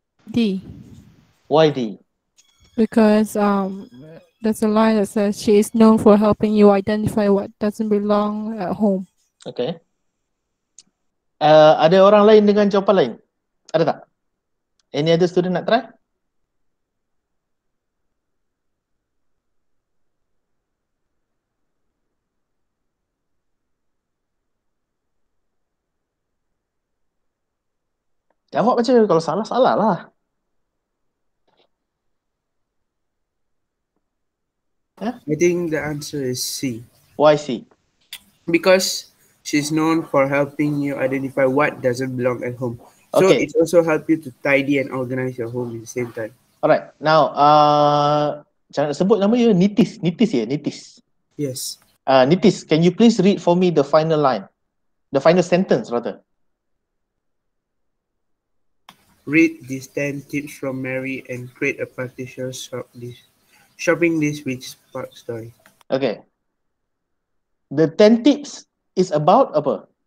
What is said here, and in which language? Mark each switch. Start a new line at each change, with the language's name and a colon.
English: D. Why D? Because there's a line that says she is known for helping you identify what doesn't belong at home. Okay.
Malay: Ada orang lain dengan jawapan lain? Ada tak?
English: Any other student nak try?
Malay: Jawab macam kalau salah, salah lah.
English: I think the answer is C. Why C? Because she's known for helping you identify what doesn't belong at home. So okay. It also help you to tidy and organize your home at the same time. Alright, now
Malay: jangan sebut nama dia Nitis.
English: Yes. Nitis, can you please read for me the final line? The final sentence rather. Read these 10 tips from Mary and create a practical shopping list which sparks joy. Okay. The 10 tips is about apa?